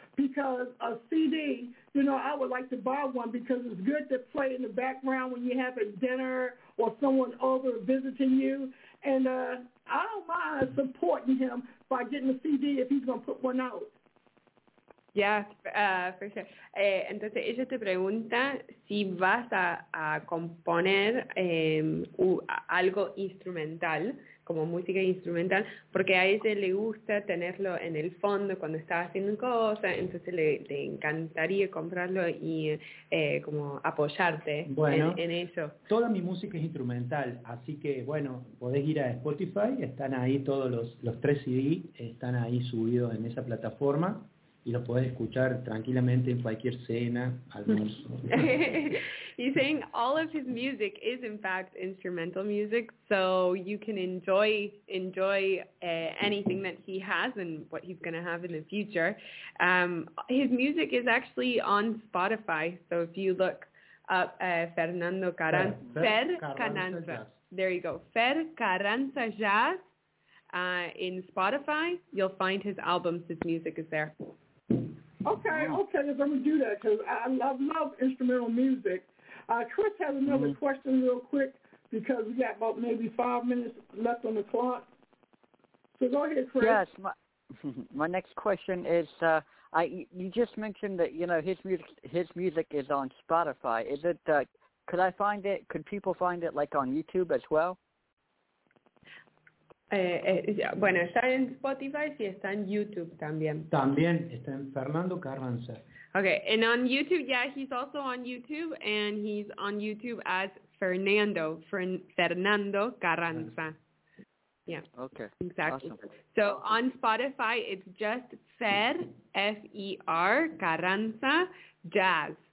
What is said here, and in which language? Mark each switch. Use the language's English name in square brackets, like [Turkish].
[English] Because a CD, you know, I would like to buy one because it's good to play in the background when you're having dinner or someone over visiting you. And I don't mind supporting him by getting a CD if he's going to put one out. Yeah, for sure. [Spanish] Entonces ella te pregunta si vas a componer algo instrumental, como música instrumental, porque a ella le gusta tenerlo en el fondo cuando está haciendo cosas, entonces le encantaría comprarlo y como apoyarte bueno, en eso. Toda mi música es instrumental, así que bueno, podés ir a Spotify, están ahí todos los tres CD, están ahí subidos en esa plataforma. Y lo puedes escuchar tranquilamente en cualquier cena, almuerzo. [English] He's saying all of his music is in fact instrumental music, so you can enjoy anything that he has and what he's going to have in the future. His music is actually on Spotify, so if you look up Fernando Carranza, Fer Carranza Jazz. There you go, Fer Carranza Jazz in Spotify, you'll find his albums, his music is there. Okay, I'm going to do that because I love instrumental music. Chris has another question real quick because we got about maybe 5 minutes left on the clock. So go ahead, Chris. Yes, my next question is, you just mentioned that, you know, his music is on Spotify. Is it, could I find it, could people find it like on YouTube as well? [Spanish] Bueno, está en Spotify y está en YouTube también. También está en Fernando Carranza. [English] Okay, and on YouTube, yeah, he's also on YouTube, and he's on YouTube as Fernando Carranza. Yeah. Okay. Exactly. Awesome. So on Spotify, it's just Fer, Fer Carranza Jazz.